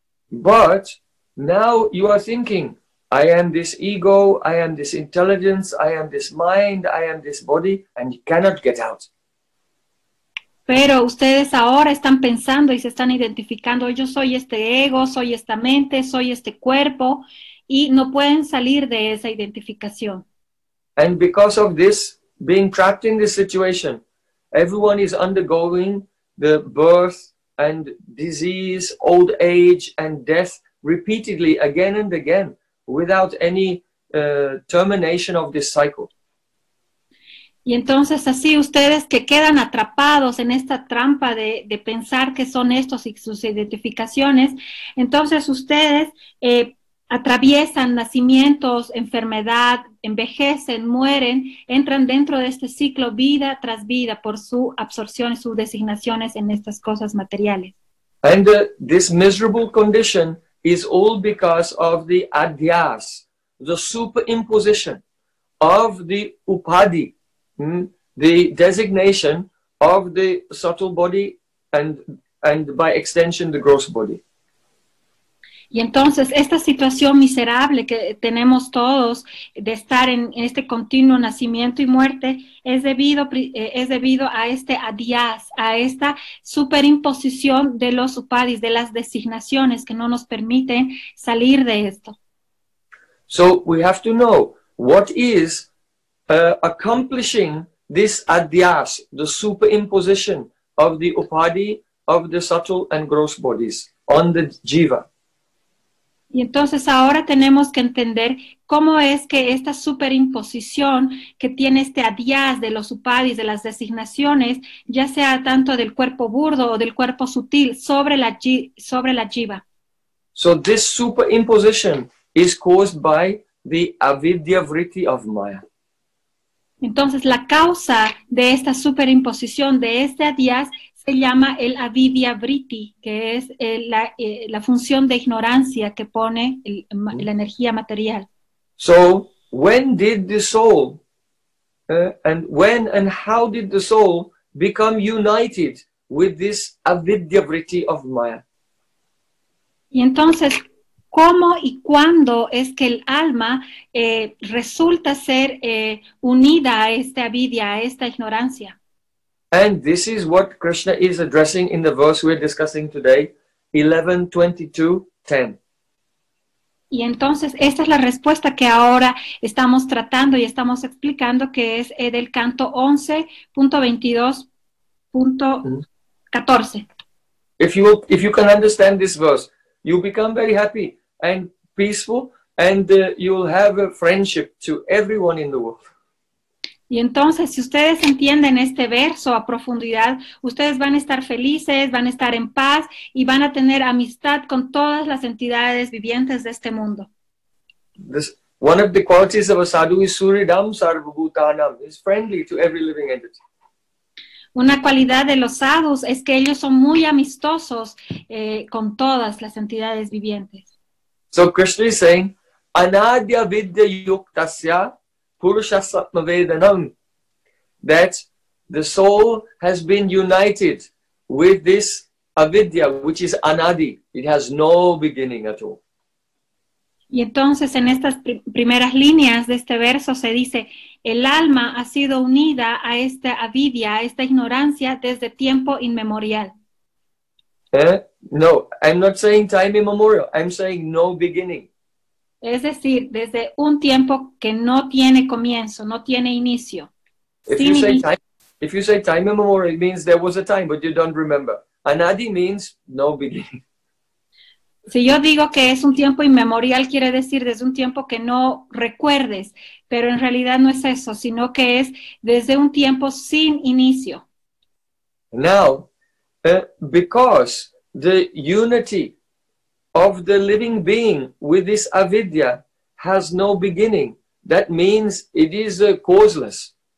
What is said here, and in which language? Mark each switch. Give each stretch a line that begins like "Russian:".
English: But now you are thinking, I am this ego, I am this intelligence, I am this mind, I am this body, and you cannot get out.
Spanish: Pero ustedes ahora están pensando y se están identificando, yo soy este ego, soy esta mente, soy este cuerpo, y no pueden salir de esa identificación.
English: And because of this, being trapped in this situation, everyone is undergoing the birth and disease, old age and death repeatedly, again and again, without any termination of this cycle.
Spanish: Y entonces así ustedes que quedan atrapados en esta trampa de pensar que son estos y sus identificaciones, entonces ustedes atraviesan nacimientos, enfermedad, envejecen, mueren, entran dentro de este ciclo vida tras vida por su absorción y sus designaciones en estas cosas materiales.
English: And this miserable condition is all because of the adhyas, the superimposition of the upadhi, the designation of the subtle body and by extension the gross body.
Spanish: Y entonces esta situación miserable que tenemos todos de estar en este continuo nacimiento y muerte es debido a este adhyas, a esta superimposición de los upadis, de las designaciones que no nos permiten salir de esto.
English: So we have to know what is accomplishing this adhyas, the superimposition of the upadi, of the subtle and gross bodies on the jiva.
Spanish: Y entonces ahora tenemos que entender cómo es que esta superimposición que tiene este adhyas de los upadis, de las designaciones, ya sea tanto del cuerpo burdo o del cuerpo sutil, sobre la jiva.
English: So this superimposition is caused by the avidya vritti of maya.
Spanish: Entonces la causa de esta superimposición de este adhyas se llama el avidya vritti, que es la función de ignorancia que pone la energía material.
English: So, when did the soul, and when and how did the soul become united with this avidya vritti of maya?
Spanish: Y entonces, ¿cómo y cuándo es que el alma resulta ser unida a esta avidya, a esta ignorancia?
English: And this is what Krishna is addressing in the verse we're discussing today, 11:22:10.
Spanish: Y entonces, esta es la respuesta que ahora estamos tratando y estamos explicando, que es del canto 11:22:14.
English: If you can understand this verse, you become very happy and peaceful, and you'll have a friendship to everyone in the world.
Spanish: Y entonces, si ustedes entienden este verso a profundidad, ustedes van a estar felices, van a estar en paz y van a tener amistad con todas las entidades vivientes de este mundo.
English: This, one of the qualities of a sadhu is
Sanskrit: suridam sarvabhutanam,
English: is friendly to every living entity.
Spanish: Una cualidad de los sadhus es que ellos son muy amistosos con todas las entidades vivientes.
English: So Krishna is saying,
Sanskrit: anadya vidya yuktasya purushasatmavedanam,
English: that the soul has been united with this avidya, which is anadi. It has no beginning at all.
Spanish: Y entonces en estas primeras líneas de este verso se dice, el alma ha sido unida a esta avidya, a esta ignorancia desde tiempo inmemorial.
English: No, I'm not saying time immemorial, I'm saying no beginning.
Spanish: Es decir, desde un tiempo que no tiene comienzo, no tiene inicio.
English: If you say time immemorial, it means there was a time, but you don't remember. Anadi means no beginning.
Spanish: Si yo digo que es un tiempo inmemorial, quiere decir desde un tiempo que no recuerdes, pero en realidad no es eso, sino que es desde un tiempo sin inicio.
English: Now, because the unity of the living being with this avidya has no beginning, that means it is causeless.